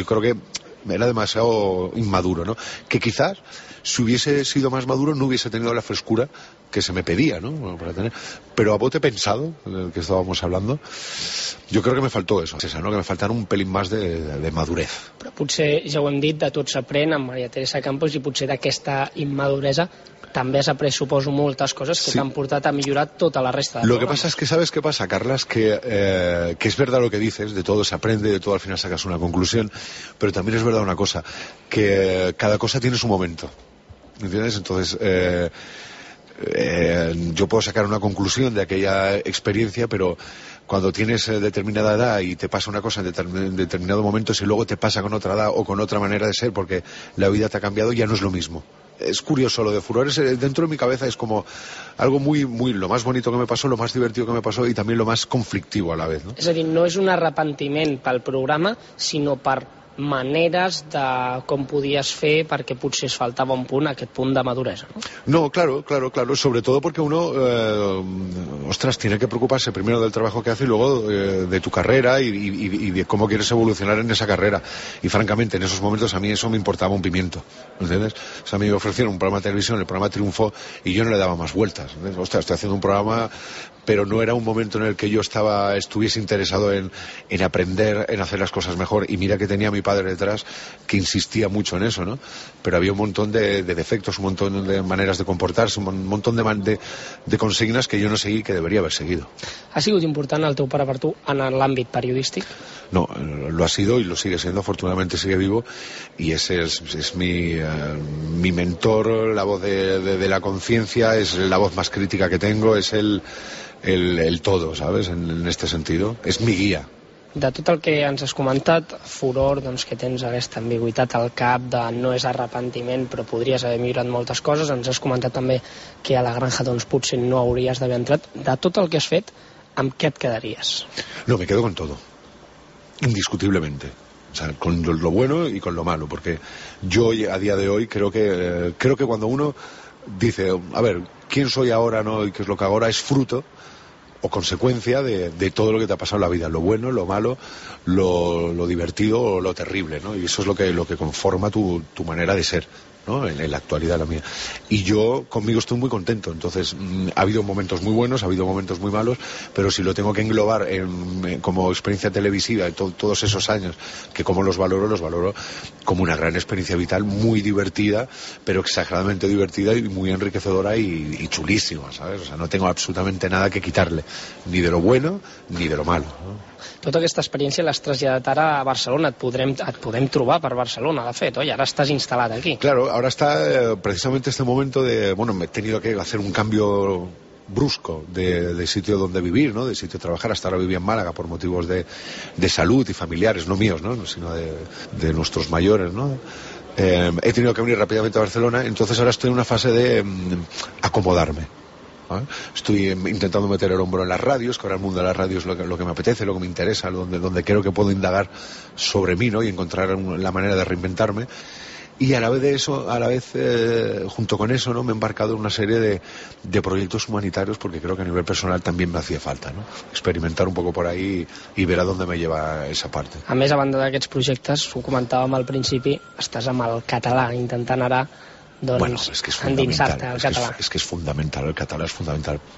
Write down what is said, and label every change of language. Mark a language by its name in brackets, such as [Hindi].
[Spanish] Yo creo que era demasiado inmaduro, ¿no? Que quizás, si hubiese sido más maduro, no hubiese tenido la frescura que se me pedía, ¿no? Bueno, para tener... Pero a bote pensado, en el que estábamos hablando, yo creo que me faltó eso, César, ¿no? Que me faltaron un pelín más de madurez. [Catalan] Però potser, ja ho hem dit, de tot s'aprèn amb Maria Teresa Campos i potser d'aquesta immaduresa també has après, suposo, moltes coses que sí. T'han portat a millorar tota la resta. [Spanish] Lo que pasa es que, ¿sabes qué pasa, Carles? Que es verdad lo que dices, de todo se aprende, de todo al final sacas una conclusión, pero también es verdad una cosa, que cada cosa tiene su momento, ¿entiendes? Entonces, yo puedo sacar una conclusión de aquella experiencia, pero cuando tienes determinada edad y te pasa una cosa en determinado momento, si luego te pasa con otra edad o con otra manera de ser, porque la vida te ha cambiado, ya no es lo mismo. Es curioso lo de furor, dentro de mi cabeza es como algo muy, muy, lo más bonito que me pasó, lo más divertido que me pasó y también lo más conflictivo a la vez, ¿no? Es decir, no es un [Catalan] arrepentiment pel programa, sinó per maneres de com podies fer perquè potser es faltava un punt, aquest punt de maduresa, no? [Spanish] No, claro, claro, claro, sobre todo porque uno, ostras, tiene que preocuparse primero del trabajo que hace y luego de tu carrera y de cómo quieres evolucionar en esa carrera. Y francamente, en esos momentos a mí eso me importaba un pimiento, ¿entiendes? O sea, a mí me ofrecieron un programa de televisión, el programa triunfó y yo no le daba más vueltas, ¿entendés? Ostras, estoy haciendo un programa... Pero no era un momento en el que yo estuviese interesado en aprender, en hacer las cosas mejor. Y mira que tenía a mi padre detrás, que insistía mucho en eso, ¿no? Pero había un montón de defectos, un montón de maneras de comportarse, un montón de consignas que yo no seguí, que debería haber seguido. ¿Ha sido importante [Catalan] el teu pare per tu en l'àmbit periodístico? [Spanish] No, lo ha sido y lo sigue siendo. Afortunadamente sigue vivo. Y ese es mi mentor, la voz de la conciencia, es la voz más crítica que tengo, es el todo, ¿sabes? En este sentido, es mi guía. [Catalan] De tot el que ens has comentat, furor, doncs que tens aquesta ambigüitat al cap de no és arrepentiment, però podries haver millorat moltes coses, ens has comentat també que a la granja doncs potser no hauries d'haver entrat. De tot el que has fet, ¿amb què et quedaries? [Spanish] No, me quedo con todo, indiscutiblemente. O sea, con lo bueno y con lo malo, porque yo a día de hoy creo que cuando uno dice, a ver, ¿quién soy ahora, no? Y qué es lo que ahora es fruto o consecuencia de todo lo que te ha pasado en la vida, lo bueno, lo malo, lo divertido o lo terrible, ¿no? Y eso es lo que conforma tu manera de ser, ¿no? En la actualidad la mía. Y yo conmigo estoy muy contento. Entonces, ha habido momentos muy buenos, ha habido momentos muy malos, pero si lo tengo que englobar como experiencia televisiva de todos esos años, que como los valoro como una gran experiencia vital, muy divertida, pero exageradamente divertida y muy enriquecedora y chulísima, ¿sabes? O sea, no tengo absolutamente nada que quitarle, ni de lo bueno ni de lo malo, ¿no? [Catalan] Tota aquesta experiència l'has traslladat ara a Barcelona, et podem trobar per Barcelona, de fet, oi? Ara estàs instal·lat aquí. [Spanish] Claro, ahora está precisamente este momento de... Bueno, me he tenido que hacer un cambio brusco de sitio donde vivir, ¿no? De sitio de trabajar. Hasta ahora vivía en Málaga por motivos de salud y familiares, no míos, ¿no? Sino de nuestros mayores, ¿no? He tenido que venir rápidamente a Barcelona, entonces ahora estoy en una fase de acomodarme. Estoy intentando meter el hombro en las radios, que ahora el mundo de las radios es lo que me apetece, lo que me interesa, donde creo que puedo indagar sobre mí, ¿no? Y encontrar la manera de reinventarme. Y a la vez de eso, a la vez, junto con eso, ¿no? Me he embarcado en una serie de proyectos humanitarios, porque creo que a nivel personal también me hacía falta, ¿no? Experimentar un poco por ahí y ver a dónde me lleva esa parte. [Catalan] A més, a banda d'aquests projectes, ho comentàvem al principi, estàs amb el català intentant ara... [Spanish] Bueno, es que es fundamental, es que es fundamental, el catalán es fundamental.